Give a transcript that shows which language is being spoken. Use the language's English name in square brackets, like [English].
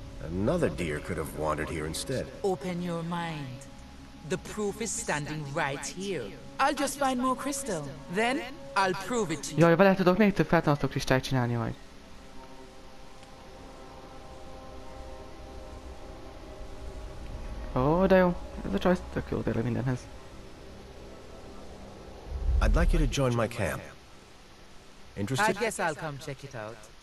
[English] Another deer could have wandered here instead. Open your mind. The proof is standing right here. I'll just find more crystal. Then I'll prove it to you. [Hungarian] Jaj, vele tudok még több feltámasztó kristályt csinálni majd. Ó, de jó. Ez a csaj tök jó tényleg mindenhez. [English] I'd like you to join my camp. Interested? I guess I'll come check it out.